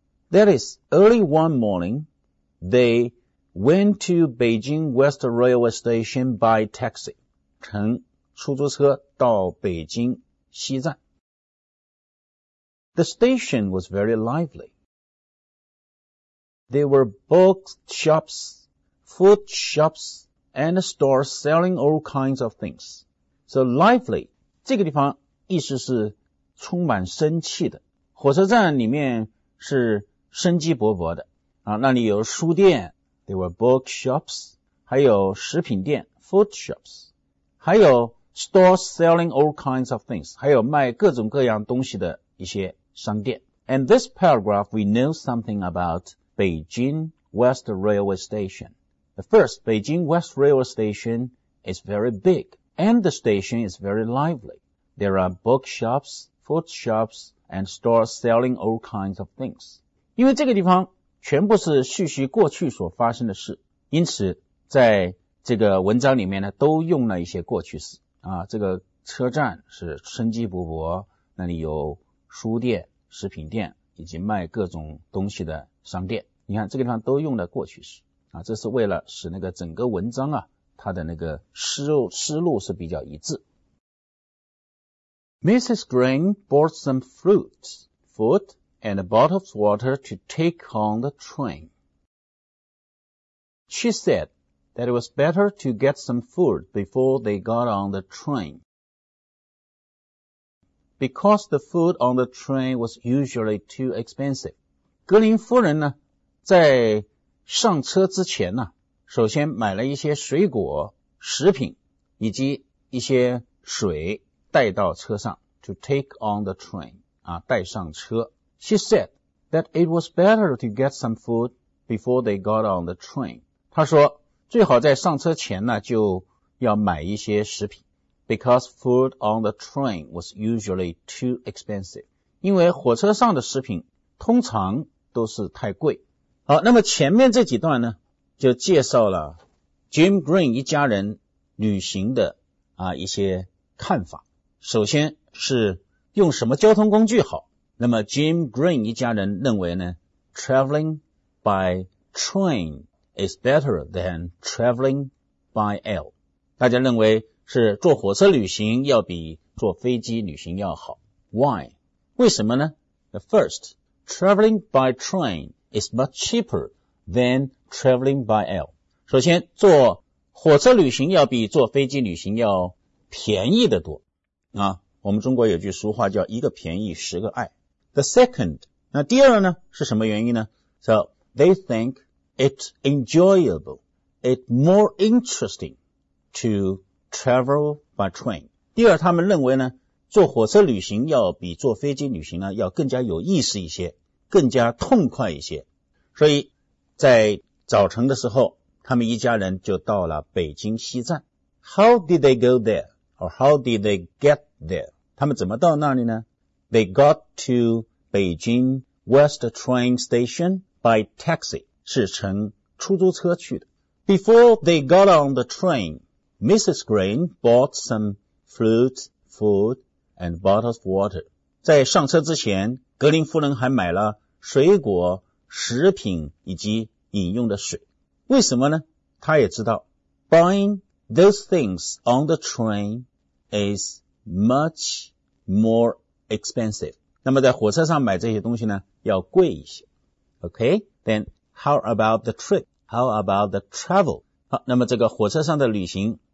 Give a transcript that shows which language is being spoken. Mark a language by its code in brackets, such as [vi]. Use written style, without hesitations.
[en] That is early one morning, they went to Beijing West Railway Station by taxi， [zh] 乘出租车到北京西站。 [en] The station was very lively. There were bookshops, food shops, and stores selling all kinds of things. So lively, [zh] 这个地方意思是充满生气的。火车站里面是生机勃勃的。啊，那里有书店， [en] there were bookshops, [zh] 还有食品店， [en] food shops, [zh] 还有 [en] stores selling all kinds of things, [zh] 还有卖各种各样东西的一些商店。 [en] And this paragraph, we know something about Beijing West Railway Station. First, Beijing West Railway Station is very big, and the station is very lively. There are bookshops, food shops, and stores selling all kinds of things. [zh] 因为这个地方全部是叙述过去所发生的事，因此在这个文章里面呢，都用了一些过去式。啊，这个车站是生机勃勃，那里有书店、食品店以及卖各种东西的商店，你看这个地方都用了过去式啊，这是为了使那个整个文章啊，它的那个思路是比较一致。 [en] Mrs. Green bought some food, and a bottle of water to take on the train. She said that it was better to get some food before they got on the train. Because the food on the train was usually too expensive. [zh] 格林夫人呢在上车之前呢首先买了一些水果食品以及一些水带到车上 [en] to take on the train, [zh] 啊带上车。 [en] She said that it was better to get some food before they got on the train. [zh] 她说最好在上车前呢就要买一些食品。 [en] Because food on the train was usually too expensive. [zh] 因为火车上的食品通常都是太贵。好，那么前面这几段呢就介绍了 Jim Green 一家人旅行的啊一些看法。首先是用什么交通工具好。那么 Jim Green 一家人认为呢 [en] traveling by train is better than traveling by L. [zh] 大家认为是坐火车旅行要比坐飞机旅行要好。 [en] Why? [zh] 为什么呢? [en] The first, traveling by train is much cheaper than traveling by L. [zh] 首先坐火车旅行要比坐飞机旅行要便宜得多。啊，我们中国有句俗话叫一个便宜十个爱。 [en] The second, [zh] 那第二呢是什么原因呢? [en] So, they think it's enjoyable, it's more interesting to travel by train. [zh] 第二他们认为呢坐火车旅行要比坐飞机旅行呢要更加有意思一些更加痛快一些。所以在早晨的时候他们一家人就到了北京西站。 [en] How did they go there? Or how did they get there? [zh] 他们怎么到那里呢 ? [en] They got to Beijing West Train Station by taxi. [zh] 是乘出租车去的。 [en] Before they got on the train,Mrs. Green bought some fruit, food, and bottles of water. [zh] 在上车之前，格林夫人还买了水果、食品以及饮用的水。为什么呢？她也知道 [en] ，buying those things on the train is much more expensive. [zh] 那么在火车上买这些东西呢，要贵一些。 [en] Okay, then how about the trip? How about the travel? [zh] 好，那么这个火车上的旅行。